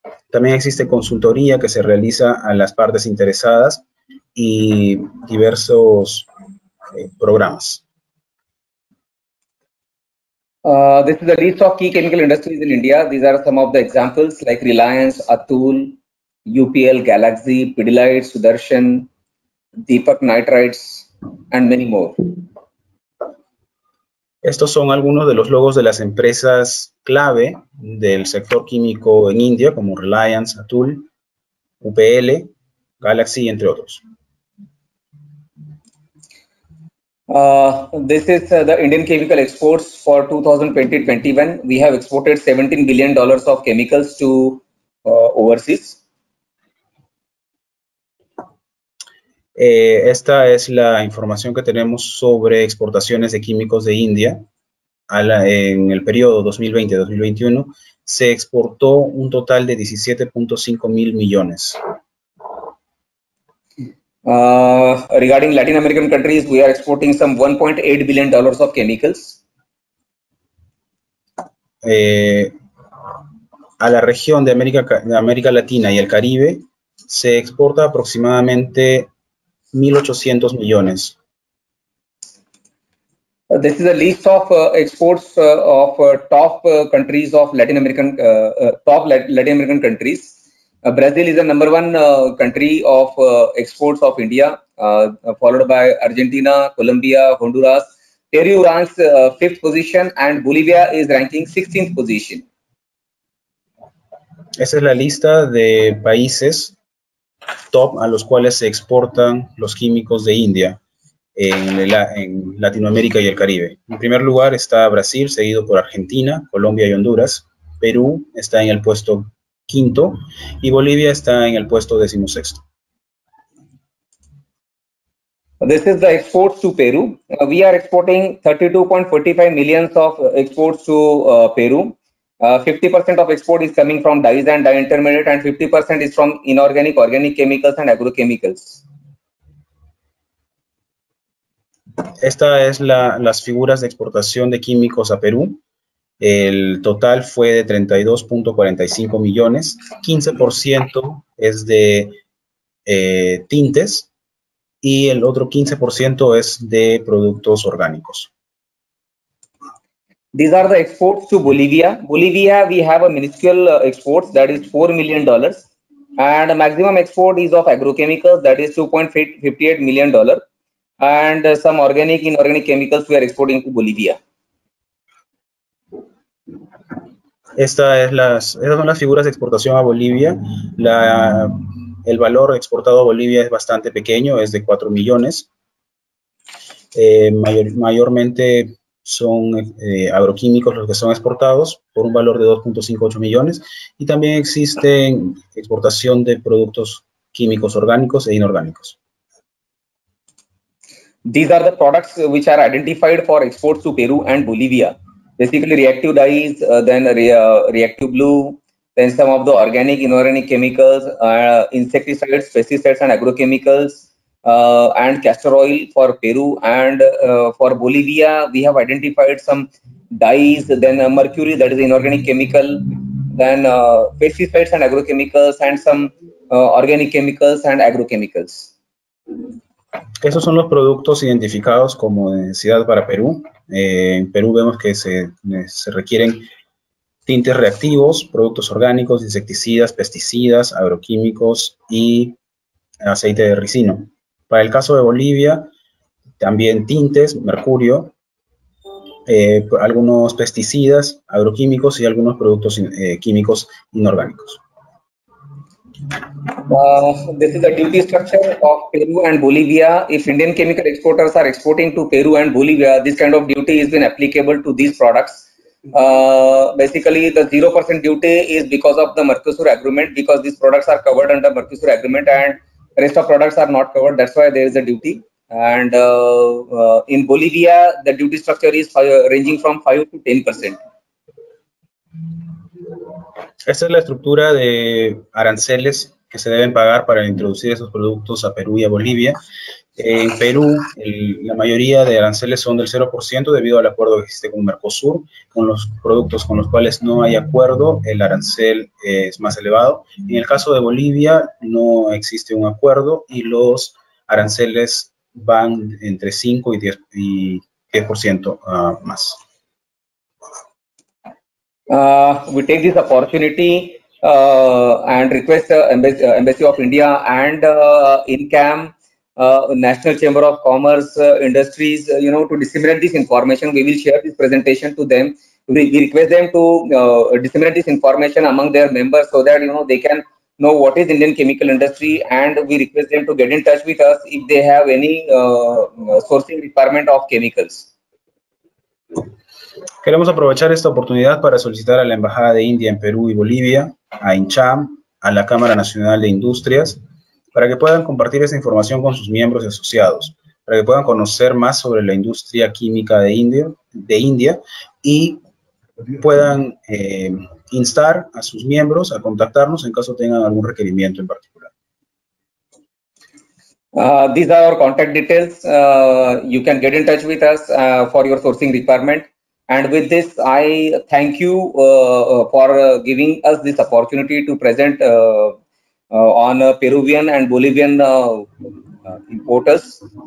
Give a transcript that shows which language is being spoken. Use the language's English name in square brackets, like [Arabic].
[Spanish] También existe consultoría que se realiza a las partes interesadas y diversos programas. [English] This is the list of key chemical industries in India. These are some of the examples like Reliance, Atul, UPL, Galaxy, Pidilite, Sudarshan, Deepak Nitrites, and many more. [Spanish] Estos son algunos de los logos de las empresas clave del sector químico en India, como Reliance, Atul, UPL, Galaxy, entre otros. [English] This is the Indian chemical exports for 2020-21. We have exported $17 billion of chemicals to overseas. [Spanish] Esta es la información que tenemos sobre exportaciones de químicos de India. En el periodo 2020-2021 se exportó un total de 17.5 mil millones. [English] Regarding Latin American countries, we are exporting some $1.8 billion of chemicals. [Spanish] A la región de América Latina y el Caribe se exporta aproximadamente 1.800 millones. [English] This is a list of exports of top countries of Latin American, top Latin American countries. Brazil is the number one country of exports of India, followed by Argentina, Colombia, Honduras. Peru ranks fifth position and Bolivia is ranking 16th position. [Spanish] Esa es la lista de países top a los cuales se exportan los químicos de India en Latinoamérica y el Caribe. En primer lugar está Brasil, seguido por Argentina, Colombia y Honduras. Perú está en el puesto quinto y Bolivia está en el puesto decimosexto. [English] This is the exports to Peru. We are exporting 32.45 million of exports to Peru. 50% of export is coming from dyes and dye intermediate, and 50% is from inorganic, organic chemicals and agrochemicals. [Spanish] Esta es las figuras de exportación de químicos a Perú. El total fue de 32.45 millones. 15% es de tintes y el otro 15% es de productos orgánicos. [English] These are the exports to Bolivia. Bolivia, we have a minuscule exports, that is $4 million. And maximum export is of agrochemicals, that is $2.58 million. And some organic, inorganic chemicals we are exporting to Bolivia. [Spanish] Estas son las figuras de exportación a Bolivia. El valor exportado a Bolivia es bastante pequeño, es de 4 millones. Mayormente son agroquímicos los que son exportados por un valor de 2.58 millones. Y también existe exportación de productos químicos orgánicos e inorgánicos. [English] These are the products which are identified for exports to Peru and Bolivia. Basically, reactive dyes, then reactive blue, then some of the organic, inorganic chemicals, insecticides, pesticides, and agrochemicals, and castor oil for Peru. And for Bolivia, we have identified some dyes, then mercury, that is inorganic chemical, then pesticides and agrochemicals, and some organic chemicals and agrochemicals. [Spanish] Esos son los productos identificados como de necesidad para Perú. En Perú vemos que se requieren tintes reactivos, productos orgánicos, insecticidas, pesticidas, agroquímicos y aceite de ricino. Para el caso de Bolivia, también tintes, mercurio, algunos pesticidas, agroquímicos y algunos productos químicos inorgánicos. [English] This is the duty structure of Peru and Bolivia. If Indian chemical exporters are exporting to Peru and Bolivia, this kind of duty has been applicable to these products. Basically, the 0% duty is because of the Mercosur agreement, because these products are covered under Mercosur agreement and rest of products are not covered. That's why there is a duty. And in Bolivia, the duty structure is ranging from 5 to 10%. [Spanish] Esa es la estructura de aranceles que se deben pagar para introducir esos productos a Perú y a Bolivia. En Perú, la mayoría de aranceles son del 0% debido al acuerdo que existe con Mercosur. Con los productos con los cuales no hay acuerdo, el arancel es más elevado. En el caso de Bolivia, no existe un acuerdo y los aranceles van entre 5 y 10% más. [English] We take this opportunity and request the Embassy of India and INCAM, National Chamber of Commerce, Industries, you know, to disseminate this information. We will share this presentation to them. We request them to disseminate this information among their members so that, you know, they can know what is Indian chemical industry, and we request them to get in touch with us if they have any sourcing requirement of chemicals. [Spanish] Queremos aprovechar esta oportunidad para solicitar a la Embajada de India en Perú y Bolivia, a INCHAM, a la Cámara Nacional de Industrias, para que puedan compartir esta información con sus miembros y asociados, para que puedan conocer más sobre la industria química de India y puedan instar a sus miembros a contactarnos en caso tengan algún requerimiento en particular. [English] These are our contact details. You can get in touch with us for your sourcing requirement. And with this, I thank you for giving us this opportunity to present on Peruvian and Bolivian importers.